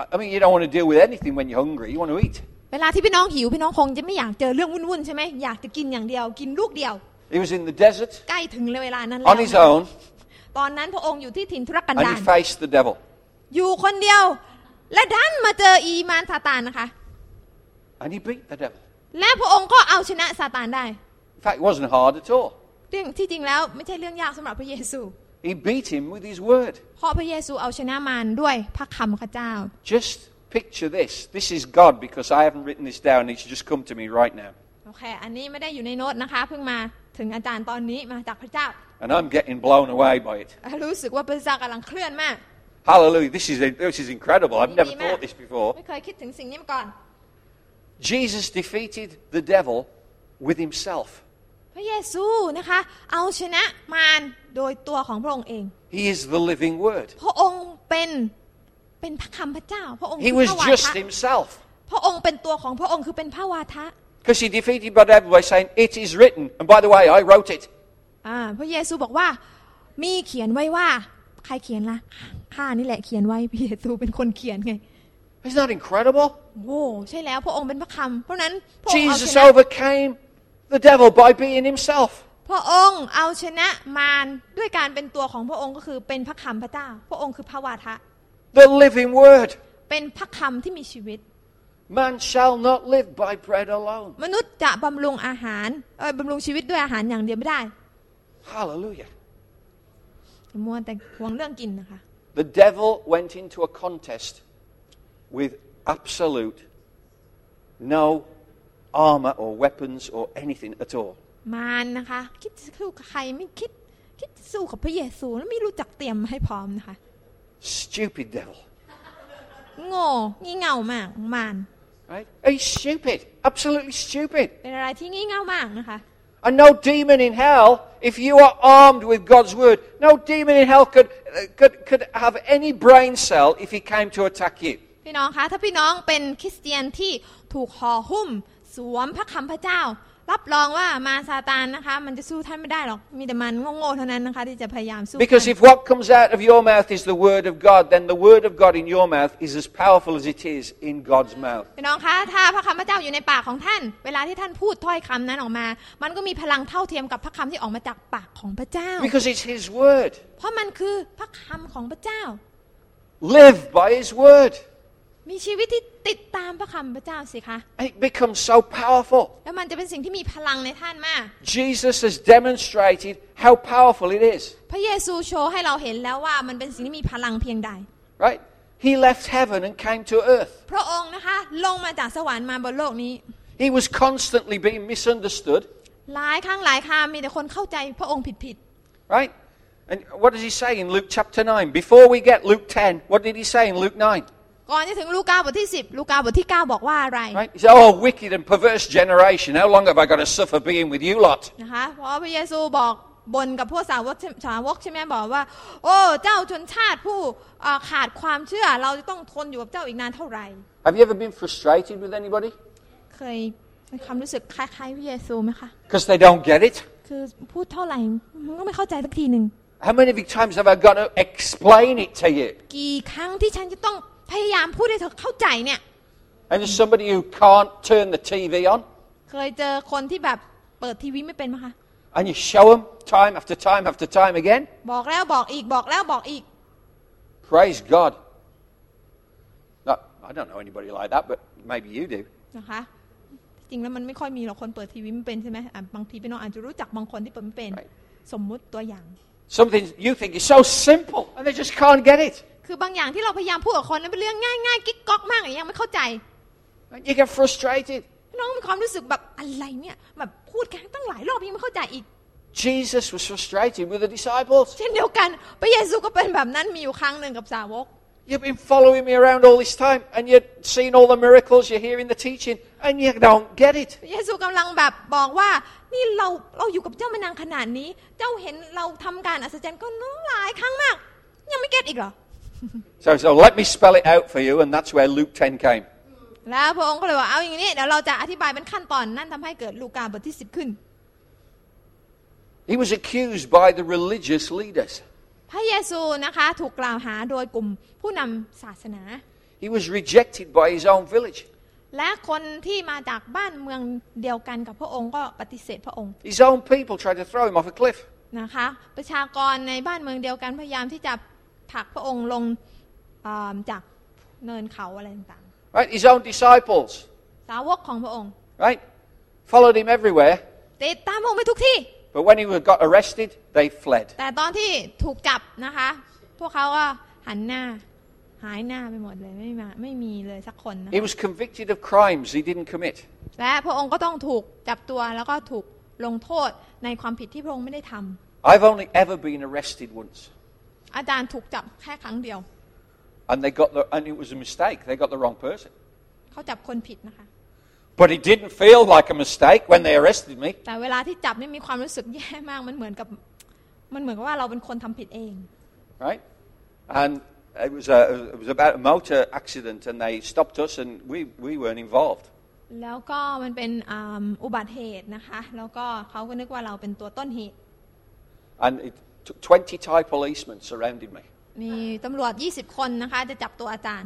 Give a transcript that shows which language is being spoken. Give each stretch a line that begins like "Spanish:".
English: I mean you don't want to deal with anything when you're hungry you want to eat
Thai: เวลาที่พี่น้องหิวพี่น้องคงจะไม่อยากเจอเรื่องวุ่นๆใช่ไหมอยากจะกินอย่างเดียวกินลูกเดียว
English: He was in the desert
Thai: ใกล้ถึงเวลานั้นแล้ว
English: On his own
Thai: ตอนนั้นพระองค์อยู่ที่ถิ่นทุรกันดาร
English: And he faced the devil
Thai: อยู่คนเดียวและดันมาเจออีมารซาตานนะคะ
English: And he beat the devil
Thai: และพระองค์ก็เอาชนะซาตานได้
English: In fact, it wasn't hard at all.
Thai: ที่จริงแล้วไม่ใช่เรื่องยากสำหรับพระเยซู
English: He beat him with his word.
Thai: เพราะพระเยซูเอาชนะมารด้วยพระคำของเจ้า
English: Just picture this. This is God because I haven't written this down. It's just come to me right now.
Thai: โอเ Okay, อันนี้ไม่ได้อยู่ในโน้ตนะคะเพิ่งมาถึงอาจารย์ตอนนี้มาจากพระเจ้า
English: And I'm getting blown away by it.
Thai: รู้สึกว่าพระเจ้ากำลังเคลื่อนมาก
English: Hallelujah! This is incredible. I've never thought this before.
Thai: ไม่เคยคิดถึงสิ่งนี้มาก่อน
English: Jesus defeated the devil with himself.
Thai: พระเยซูนะคะเอาชนะมารโดยตัวของพระองค์เอง
English: He is the living Word.
Thai: พระองค์เป็นพระคำพระเจ้าพระองค์ คือ พระวา
English: ทะ He was just himself.
Thai: พระองค์เป็นตัวของพระองค์คือเป็นพระวาทะ
English: Because he defeated the devil by saying, "It is written." And by the way, I wrote it.
Thai: พระเยซูบอกว่ามีเขียนไว้ว่าใครเขียนล่ะข้านี่แหละเขียนไว้พระเยซูเป็นคนเขียนไง
English: Isn't that incredible?
Thai: โอ้ใช่แล้วพระองค์เป็นพระคำเพราะนั้น
English: Jesus overcame the devil by being himself.
Thai: พระองค์เอาชนะมารด้วยการเป็นตัวของพระองค์ก็คือเป็นพระคำพระเจ้าพระองค์คือพระวาทะ
English: The living word.
Thai: เป็นพระคำที่มีชีวิต
English: Man shall not live by bread alone.
Thai: มนุษย์จะบำรุงอาหารบำรุงชีวิตด้วยอาหารอย่างเดียวไม่ได้
English: Hallelujah.
Thai: มัวแต่ห่วงเรื่องกินนะคะ
English: The devil went into a contest with absolute no armor or weapons or anything at all.
Thai: มารนะคะคิดจะสู้กับใครไม่คิดสู้กับพระเยซูแล้วไม่รู้จักเตรียมให้พร้อมนะคะ
English: Stupid devil.
Thai: โง่งี่เง่ามากมาน
English: Right? He's stupid. Absolutely stupid.
Thai: เป็นอะไรที่งี่เง่ามากนะคะ
English: And no demon in hell, if you are armed with God's word, no demon in hell could have any brain cell if he came to attack you.
Thai: พี่น้องคะถ้าพี่น้องเป็นคริสเตียนที่ถูกห่อหุ้มสวมพระคำพระเจ้ารับรองว่ามารซาตานนะคะมันจะสู้ท่านไม่ได้หรอกมีแต่มันโง่ๆเท่านั้นนะคะที่จะพยายามสู้
English: Because if what comes out of your mouth is the word of God then the word of God in your mouth is as powerful as it is in God's mouth
Thai: พี่น้องคะถ้าพระคำพระเจ้าอยู่ในปากของท่านเวลาที่ท่านพูดถ้อยคำนั้นออกมามันก็มีพลังเท่าเทียมกับพระคำที่ออกมาจากปากของพระเจ้า
English: Because it's His word
Thai: เพราะมันคือพระคำของพระเจ้า
English: Live by His word
Thai: มีชีวิตที่ติดตามพระคำพระเจ้าสิคะ
English: It becomes so powerful
Thai: แล้วมันจะเป็นสิ่งที่มีพลังในท่านมาก
English: Jesus has demonstrated how powerful it is
Thai: พระเยซูโชว์ให้เราเห็นแล้วว่ามันเป็นสิ่งที่มีพลังเพียงใด
English: Right He left heaven and came to earth
Thai: พระองค์นะคะลงมาจากสวรรค์มาบนโลกนี้
English: He was constantly being misunderstood
Thai: หลายครั้งหลายคามีแต่คนเข้าใจพระองค์ผิด
English: ๆ Right And what does he say in Luke chapter 9 before we get Luke 10 what did he say in Luke 9
Thai: ก่อนที่ถึงลูกาบทที่10ลูกาบทที่9บอกว่าอะไร
English: Right. He said, Oh, wicked and perverse generation. How long have I got to suffer being with you lot?
Thai: นะคะเพราะพระเยซูบอกบนกับพวกสาวกชาวกใช่ไหมบอกว่าโอ้เจ้าชนชาติผู้ขาดความเชื่อเราจะต้องทนอยู่กับเจ้าอีกนานเท่าไหร่
English: Have you ever been frustrated with anybody?
Thai: เคยมีความรู้สึกคล้ายๆพระเยซูไหมคะ
English: Because they don't get it.
Thai: คือพูดเท่าไหร่มันก็ไม่เข้าใจสักทีนึง
English: How many times have I got to explain it to you?
Thai: กี่ครั้งที่ฉันจะต้องพยายามพูดให้เธอเข้าใจเนี่ย
English: And there's somebody who can't turn the TV on
Thai: เคยเจอคนที่แบบเปิดทีวีไม่เป็นมั้ยคะ
English: And you show them time after time after time again
Thai: บอกแล้วบอกอีกบอกแล้วบอกอีก
English: Praise God No, I don't know anybody like that but maybe you do
Thai: นะคะจริงแล้วมันไม่ค่อยมีหรอกคนเปิดทีวีไม่เป็นใช่มั้ยบางทีพี่น้องอาจจะรู้จักบางคนที่เปิดไม่เป็น
English: Right.
Thai: สมมุติตัวอย่าง
English: Something you think is so simple and they just can't get it
Thai: คือบางอย่างที่เราพยายามพูดกับคนนั้นเป็นเรื่องง่ายๆกิ๊กก๊อกมากยังไม่เข้าใจ
English: You get frustrated
Thai: น้องมีความรู้สึกแบบอะไรเนี่ยแบบพูดกันตั้งหลายรอบยังไม่เข้าใจอีก
English: Jesus was frustrated with the disciples
Thai: เช่นเดียวกันพระเยซูก็เป็นแบบนั้นมีอยู่ครั้งหนึ่งกับสาวก
English: You've been following me around all this time and you've seen all the miracles you're hearing the teaching and you don't get it
Thai: พระเยซูกำลังแบบบอกว่านี่เราอยู่กับเจ้ามานานขนาดนี้เจ้าเห็นเราทำการอัศจรรย์ก็น้องหลายครั้งมากยังไม่เก็ตอีกเหรอ
English: So let me spell it out for you, and that's where Luke 10 came.
Thai: แล้วพระองค์ก็เลยว่าเอาอย่างนี้เดี๋ยวเราจะอธิบายเป็นขั้นตอนนั่นทำให้เกิดลูกาบทที่10ขึ้น
English: He was accused by the religious leaders.
Thai: พระเยซูนะคะถูกกล่าวหาโดยกลุ่มผู้นำศาสนา
English: He was rejected by his own village.
Thai: และคนที่มาจากบ้านเมืองเดียวกันกับพระองค์ก็ปฏิเสธพระองค์
English: His own people tried to throw him off a cliff.
Thai: นะคะประชากรในบ้านเมืองเดียวกันพยายามที่จะผักพระองค์ลงจากเนินเขาอะไรต่าง
English: ๆ Right his own disciples
Thai: สาวกของพระองค์
English: Right followed him everywhere
Thai: ติดตามพระองค์ไปทุกที่
English: But when he got arrested they fled
Thai: แต่ตอนที่ถูกจับนะคะพวกเขาก็หันหน้าหายหน้าไปหมดเลยไม่มีเลยสักคนนะ
English: He was convicted of crimes he didn't commit
Thai: และพระองค์ก็ต้องถูกจับตัวแล้วก็ถูกลงโทษในความผิดที่พระองค์ไม่ได้ทำ
English: I've only ever been arrested once
Thai: อาจารย์ถูกจับแค่ครั้งเดียว
English: and it was a mistake they got the wrong person
Thai: เขาจับคนผิดนะคะ
English: but it didn't feel like a mistake when they arrested me
Thai: แต่เวลาที่จับนี่มีความรู้สึกแย่มากมันเหมือนกับว่าเราเป็นคนทำผิดเอง
English: right andit was about a motor accident and they stopped us and we weren't involved
Thai: แล้วก็มันเป็นอุบัติเหตุนะคะแล้วก็เขาก็นึกว่าเราเป็นตัวต้นเหตุ
English: and it took 20 Thai policemen surrounded me
Thai: มีตำรวจ20คนนะคะจะจับตัวอาจารย